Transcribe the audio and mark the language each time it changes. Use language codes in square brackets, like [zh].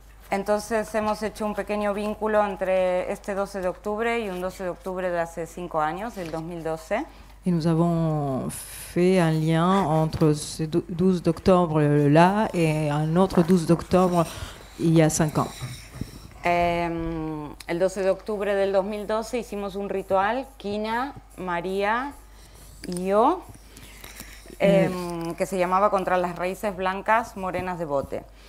[es] Entonces hemos hecho un pequeño vínculo entre este 12 de octubre y un 12 de octubre de hace 5 años, el 2012. [fr] Y nous avons fait un lien entre ce 12 d'octobre là et un autre 12 d'octobre il y a 5 ans. [es] El 12 de octubre del 2012 hicimos un ritual, Kina, María y yo, que se llamaba Contra las raíces blancas morenas de bote.